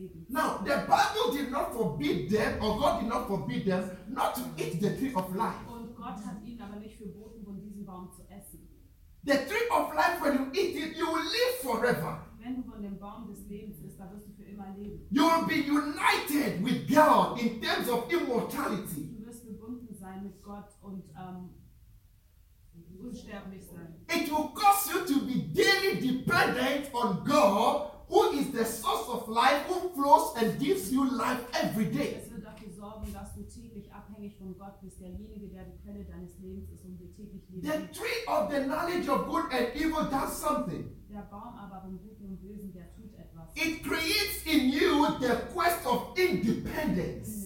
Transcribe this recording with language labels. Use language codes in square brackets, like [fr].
[en] Now, the Bible did not forbid them, or God did not forbid them, not to eat the tree of life. [de] Und Gott hat ihnen aber nicht verboten, von diesem Baum zu essen. [en] The tree of life, when you eat it, you will live forever. [de] Wenn du von dem Baum des Lebens isst, dann wirst du für immer leben. [en] You will be united with God in terms of immortality. [de] Du wirst verbunden sein mit Gott und unsterblich sein. [en] It will cause you to be daily dependent on God, who is the source of life, who flows and gives you life every day. [de] Es wird dafür sorgen, dass du täglich abhängig von Gott bist, derjenige, der die Quelle deines Lebens ist und dir täglich lebt. [en] The tree of the knowledge of good and evil does something. [de] Der Baum aber vom Guten und Bösen, der tut etwas. [en] It creates in you the quest of independence.